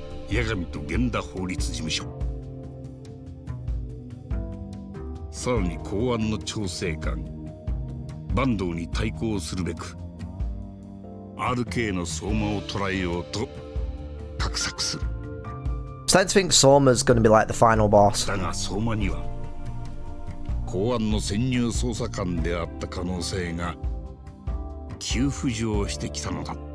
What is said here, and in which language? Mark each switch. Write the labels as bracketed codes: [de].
[ja] ヤガミと源田法律事務所、さらに公安の調整官坂東に対抗するべく RK の相馬を捕らえようと画策する。 [en] I'm starting to think Soma's gonna be like the final boss. [ja] だが相馬には公安の潜入捜査官であった可能性が急浮上してきたのだ。